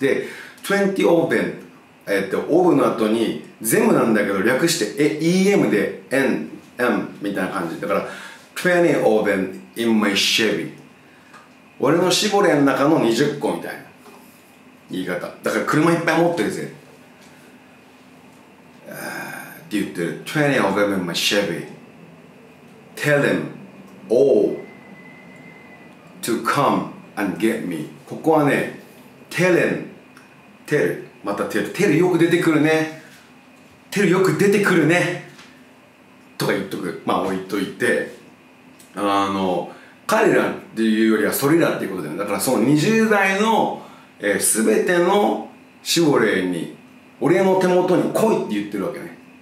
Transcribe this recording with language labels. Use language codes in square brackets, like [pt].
[ja] で、20 oven、オブの後に、ゼムなんだけど、略して、EM で、N、M みたいな感じ。だから、 [en] 20 oven in my Chevy。 [ja] 俺のシボレーの中の20個みたいな。言い方だから車いっぱい持ってるぜって言ってる。 [en] 20 of them in my Chevy Tell them all to come and get me。 [ja] ここはね Tell them Tell また Tell Tell よく出てくるね、 Tell よく出てくるねとか言っとく。まあ置いといて、彼らっていうよりはそれらっていうことだよね。だからその20代の全てのシボレーに俺の手元に来いって言ってるわけね。